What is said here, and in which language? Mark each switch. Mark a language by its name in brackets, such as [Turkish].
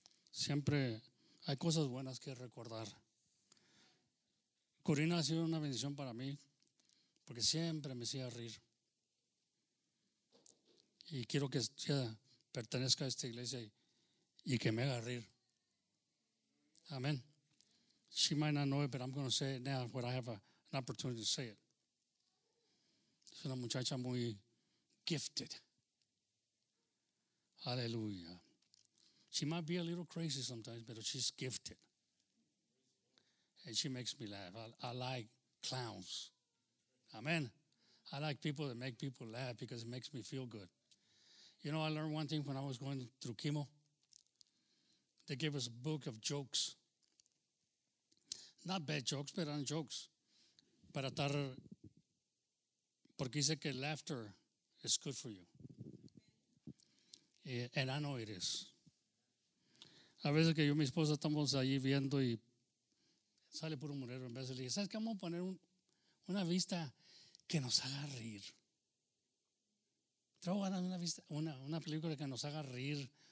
[Spanish] Siempre hay cosas buenas que recordar. Corina ha sido una bendición para mí, porque siempre me hacía reír. Y quiero que sea... pertenezca a esta iglesia y que me haga reír. Amén. [English] She might not know it, but I'm going to say it now when I have an opportunity to say it. [Spanish] Es una muchacha muy gifted. [English] Aleluya. She might be a little crazy sometimes, but she's gifted. And she makes me laugh. I like clowns. Amén. I like people that make people laugh because it makes me feel good. You know, I learned one thing when I was going through chemo. They gave us a book of jokes. Not bad jokes, but [Spanish] eran [English] jokes. [Spanish] Para estar, porque dice que [English] laughter is good for you. And I know it is. [Spanish] A veces que yo y mi esposa estamos allí viendo y sale puro murero. En vez de le dije, ¿sabes qué? Vamos a poner una vista que nos haga reír. Pero van a dar una película que nos haga reír.